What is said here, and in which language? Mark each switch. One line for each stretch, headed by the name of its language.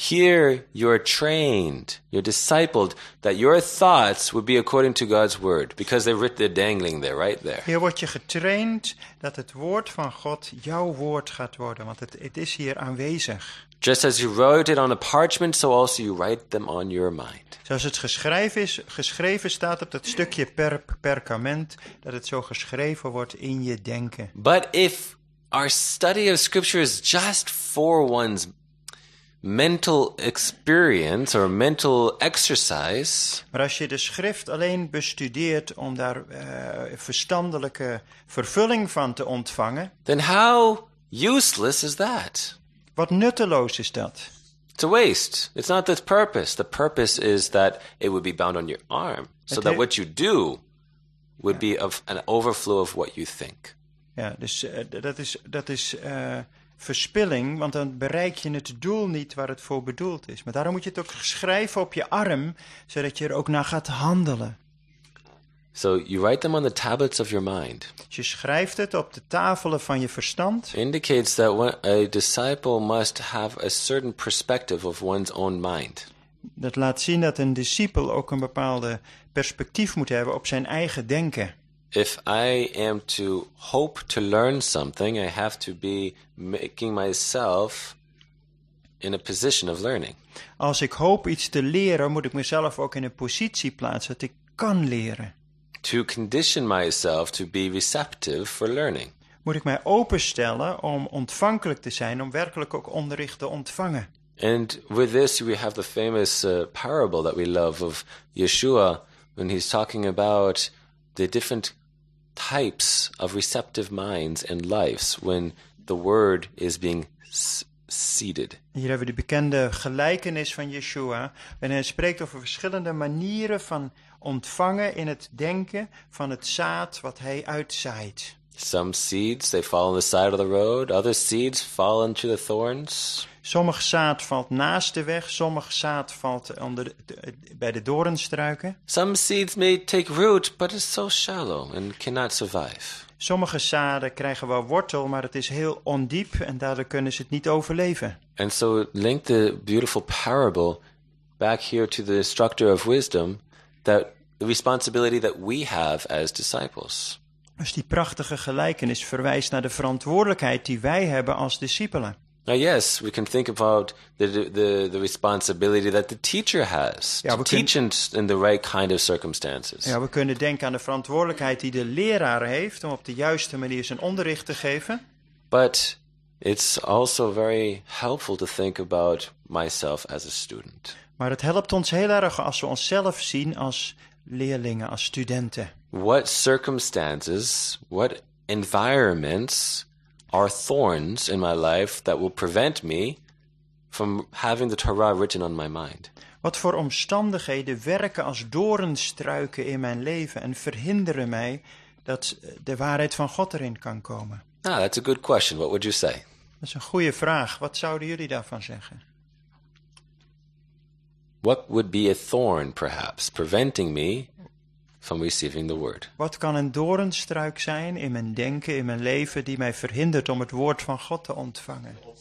English: Here you're trained, you're discipled, that your thoughts would be according to God's word, because they're dangling there, right there.
Dutch: Hier word je getraind dat het woord van God jouw woord gaat worden, want het is hier aanwezig.
English: Just as you wrote it on a parchment, so also you write them on your mind.
Dutch: Zoals het geschreven staat op dat stukje perkament, dat het zo geschreven wordt in je denken.
English: But if our study of scripture is just for one's mental experience or mental exercise.
Dutch: Maar als je de schrift alleen bestudeert om daar verstandelijke vervulling van te ontvangen.
English: Then how useless is that?
Dutch: Wat nutteloos is dat?
English: It's a waste. It's not the purpose. The purpose is that it would be bound on your arm. So that what you do would be of an overflow of what you think.
Dutch: Ja, dus dat is verspilling. Want dan bereik je het doel niet waar het voor bedoeld is. Maar daarom moet je het ook schrijven op je arm. Zodat je er ook naar gaat handelen.
English: So you write them on the tablets of your mind.
Dutch: Je schrijft het op de tafelen van je verstand.
English: Indicates that a disciple must have a certain perspective of one's own mind.
Dutch: Dat laat zien dat een discipel ook een bepaalde perspectief moet hebben op zijn eigen denken.
English: If I am to hope to learn something, I have to be making myself in a position of learning.
Dutch: Als ik hoop iets te leren, moet ik mezelf ook in een positie plaatsen dat ik kan leren.
English: To condition myself to be receptive for learning.
Dutch: Moet ik mij openstellen om ontvankelijk te zijn, om werkelijk ook onderricht te ontvangen.
English: And with this we have the famous parable that we love of Yeshua when he's talking about the different types of receptive minds and lives when the word is being seeded.
Dutch: Hier hebben we de bekende gelijkenis van Yeshua en hij spreekt over verschillende manieren van ontvangen in het denken van het zaad wat hij uitzaait.
English: Some seeds they fall on the side of the road, other seeds fall into the thorns.
Dutch: Sommig zaad valt naast de weg, sommig zaad valt onder bij de doornstruiken.
English: Some seeds may take root, but it's so shallow and cannot survive.
Dutch: Sommige zaden krijgen wel wortel, maar het is heel ondiep en daardoor kunnen ze het niet overleven.
English: And so link the beautiful parable back here to the instructor of wisdom, that the responsibility that we have as disciples.
Dutch: Dus die prachtige gelijkenis verwijst naar de verantwoordelijkheid die wij hebben als discipelen.
English: Now yes, we can think about the responsibility that the teacher has in the right kind of circumstances.
Dutch: Ja, we kunnen denken aan de verantwoordelijkheid die de leraar heeft om op de juiste manier zijn onderricht te geven.
English: But it's also very helpful to think about myself as a student.
Dutch: Maar het helpt ons heel erg als we onszelf zien als leerlingen, als studenten.
English: What circumstances, what environments are thorns in my life that will prevent me from having the Torah written on my mind?
Dutch: Wat voor omstandigheden werken als doornstruiken in mijn leven en verhinderen mij dat de waarheid van God erin kan komen?
English: Ah, that's a good question. What would you say?
Dutch: Dat is een goede vraag. Wat zouden jullie daarvan zeggen?
English: What would be a thorn, perhaps, preventing me from receiving the word?
Dutch: Wat kan een doornstruik zijn in mijn denken, in mijn leven, die mij verhindert om het woord van God te ontvangen?